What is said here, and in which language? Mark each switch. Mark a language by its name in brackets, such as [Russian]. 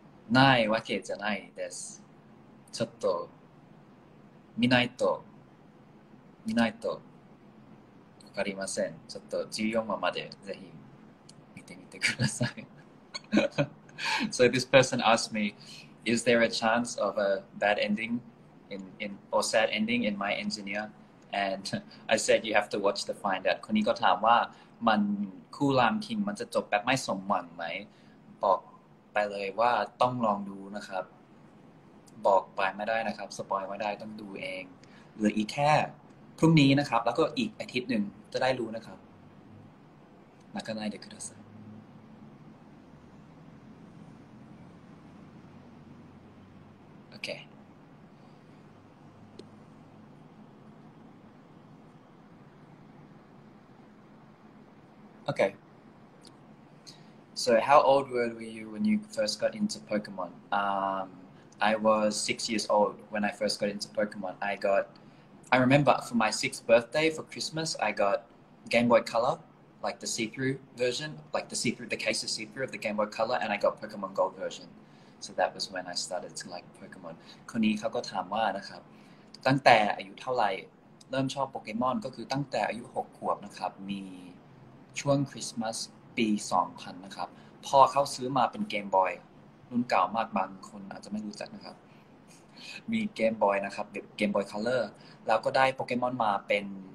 [Japanese] ないわけじゃないです。ちょっと見ないとわかりません。ちょっと14話までぜひ見てみてください。 [English] So this person asked me, is there a chance of a bad ending in or sad ending in My Engineer? And I said you have to watch to find out. [Thai] คนนี้ก็ถามว่ามันคู่รามคิงมันจะจบแบบไม่สมหวังไหมบอกไปเลยว่าต้องลองดูนะครับ บอกไปไม่ได้นะครับสปอยไม่ได้ต้องดูเองเหลืออีกแค่พรุ่งนี้นะครับแล้วก็อีกอาทิตย์หนึ่งจะได้รู้นะครับนักกันได้เดี๋ยวคุณสักโอเคโอเค [English] So how old were you when you first got into Pokemon? I was 6 years old when I first got into Pokemon. I remember for my sixth birthday for Christmas, I got Game Boy Color like the see-through version, like the see-through, the case of see-through of the Game Boy Color, and I got Pokemon Gold version. So that was when I started to like Pokemon. [Thai] คนนี้เขาก็ถามว่านะครับตั้งแต่อายุเท่าไหร่เริ่มชอบโปเกมอนก็คือตั้งแต่อายุ6ขวบนะครับมีช่วงคริสต์มาสปี2000นะครับพ่อเขาซื้อมาเป็นเกมบอยรุ่นเก่ามากบางคนอาจจะไม่รู้จักนะครับมีเกมบอยนะครับแบบเกมบอยคัลเลอร์แล้วก็ได้โปเกมอนมาเป็น